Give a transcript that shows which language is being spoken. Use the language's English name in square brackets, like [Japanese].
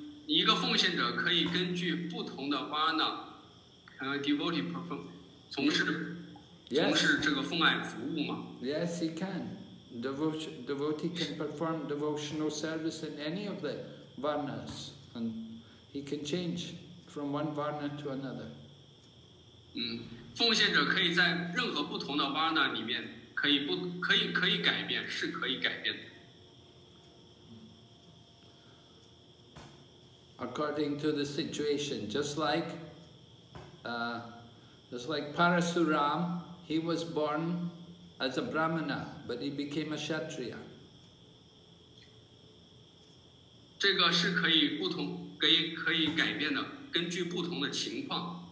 [Chinese] 一个奉献者可以根据不同的 varna, [English] can a devotee perform? [Chinese] 从事这个奉爱服务吗 [English] ？Yes, he can. Devotee can perform devotional service in any of the varnas, and he can change from one varna to another. [Chinese] 嗯，奉献者可以在任何不同的 varna 里面可以改变，是可以改变的。 [English] According to the situation, just like Parasuram, he was born as a Brahmana, but he became a Kshatriya. [Chinese] 这个是可以不同，可以改变的，根据不同的情况。